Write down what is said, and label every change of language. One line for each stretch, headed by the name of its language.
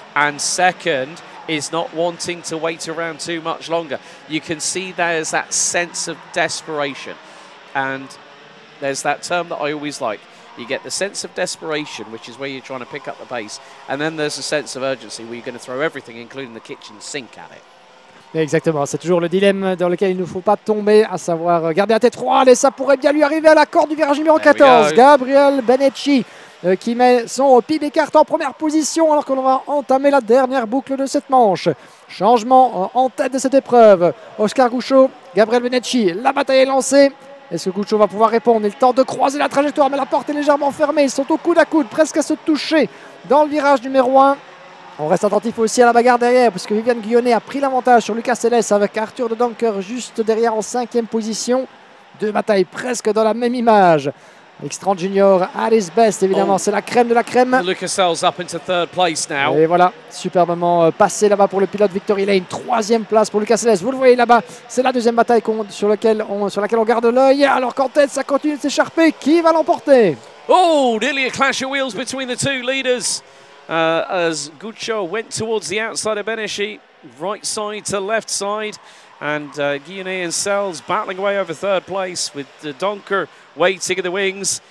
English: And second is not wanting to wait around too much longer. You can see there's that sense of desperation. And there's that term that I always like. You get the sense of desperation, which is where you're trying to pick up the pace. And then there's a sense of urgency where you're going to throw everything, including the kitchen sink, at it.
French: Exactement, c'est toujours le dilemme dans lequel il ne faut pas tomber, à savoir garder la tête froide. Et ça pourrait bien lui arriver à la corde du virage numéro 14. Gabriel Benetti qui met son pied des cartes en première position alors qu'on va entamer la dernière boucle de cette manche. Changement en tête de cette épreuve. Oscar Gouchot, Gabriel Benetti, la bataille est lancée. Est-ce que Guccio va pouvoir répondre? Il tente de croiser la trajectoire, mais la porte est légèrement fermée. Ils sont au coude à coude, presque à se toucher dans le virage numéro 1. On reste attentif aussi à la bagarre derrière, puisque Viviane Guionnet a pris l'avantage sur Lucas Seles avec Arthur de Dunker juste derrière en 5e position. Deux batailles presque dans la même image. Extrand Junior
English: at his best,
French: évidemment, c'est la crème de la crème.
English: Lucas Seles up into third place now.
French: Et voilà, superbement passé là-bas pour le pilote Victor Hélène. Troisième place pour Lucas Seles. Vous le voyez là-bas, c'est la deuxième bataille sur laquelle on garde l'œil. Alors qu'en tête, ça continue de s'écharper. Qui va l'emporter?
English: Oh, nearly a clash of wheels between the two leaders. As Guccio went towards the outside of Benichi, right side to left side. And Guionnet and Seles battling away over third place with the Donker waiting in the wings.